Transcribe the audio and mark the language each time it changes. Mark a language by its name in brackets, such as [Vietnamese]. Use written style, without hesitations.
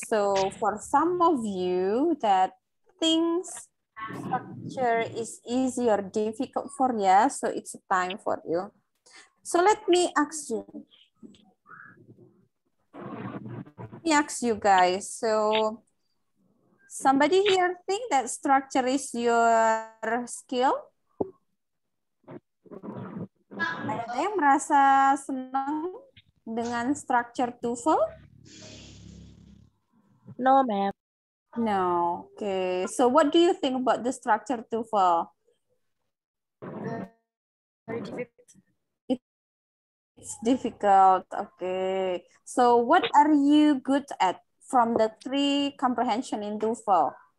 [English] So for some of you that thinks structure is easy or difficult for you, so it's a time for you. So let me ask you guys. So somebody here think that structure is your skill? [Indonesian] Ada yang merasa senang dengan structure TOEFL? [English] No, ma'am. No. Okay. So what do you think about the structure TOEFL? Very difficult. It's difficult. Okay. So what are you good at from the three comprehension in TOEFL?